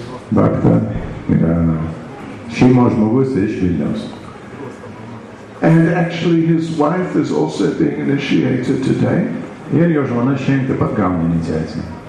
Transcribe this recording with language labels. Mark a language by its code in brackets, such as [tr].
[lt] Bhakta yra šeimos žmogus iš Vilniaus. [en] And actually his wife is also being initiated today. [lt] Ir jo žmona šiandien taip pat gauna iniciaciją.